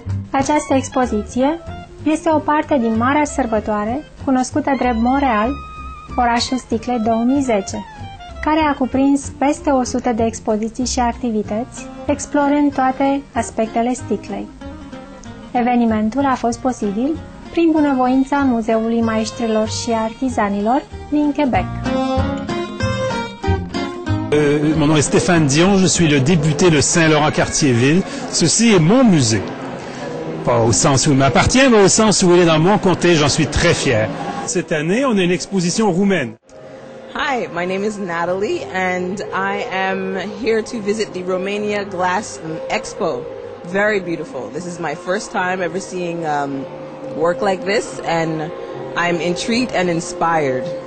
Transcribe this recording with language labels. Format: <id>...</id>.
<ro>Această expoziție este o parte din Marea Sărbătoare, cunoscută drept Montreal, orașul sticlei 2010, care a cuprins peste 100 de expoziții și activități, explorând toate aspectele sticlei. Evenimentul a fost posibil prin bunăvoința Muzeului Maestrilor și Artizanilor din Quebec.</ro> <fr>Mon nom est Stéphane Dion, je suis le député de Saint-Laurent Cartierville. Ceci est mon musée. Pas au sens où il m'appartient, mais au sens où il est dans mon comté, j'en suis très fier. Cette année, on a une exposition roumaine.</fr> <en>Hi, my name is Natalie, and I am here to visit the Romania Glass Expo. Very beautiful. This is my first time ever seeing work like this, and I'm intrigued and inspired.</en>